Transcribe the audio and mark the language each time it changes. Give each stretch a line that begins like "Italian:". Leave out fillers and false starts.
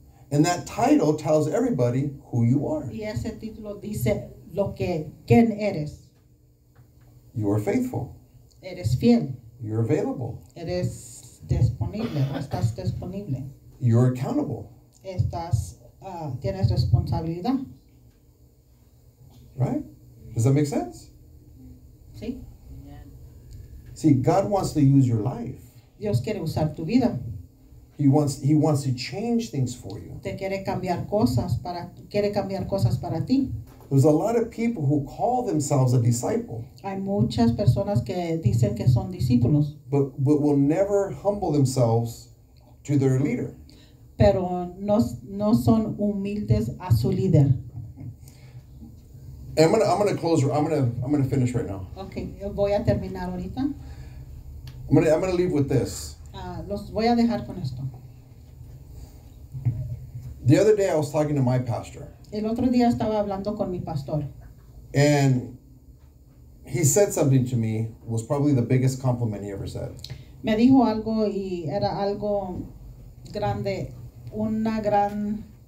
English: And that title tells everybody who you are.
Spanish: Y ese título dice lo que quién eres.
English: You are faithful.
Spanish: Eres fiel.
English: You're available.
Spanish: Eres disponible. Estás disponible.
English: You're accountable.
Spanish: Estás tienes responsabilidad.
English: Right? Does that make sense?
Spanish: Sí.
English: See, God wants to use your life.
Spanish: Dios quiere usar tu vida.
English: He wants to change things for you.
Spanish: Te quiere cambiar cosas para ti.
English: There's a lot of people who call themselves a disciple.
Spanish: Hay muchas personas que dicen que son discípulos.
English: But will never humble themselves to their leader.
Spanish: Pero no son humildes a su líder.
English: I'm gonna finish right now.
Spanish: Okay, voy a terminar ahorita.
English: I'm gonna leave with this.
Spanish: Los voy a dejar con esto.
English: The other day I was talking to my pastor.
Spanish: El otro día estaba hablando con mi pastor.
English: And he said something to me, was probably the biggest compliment he ever said.
Spanish: Me dijo algo y era algo grande, una gran...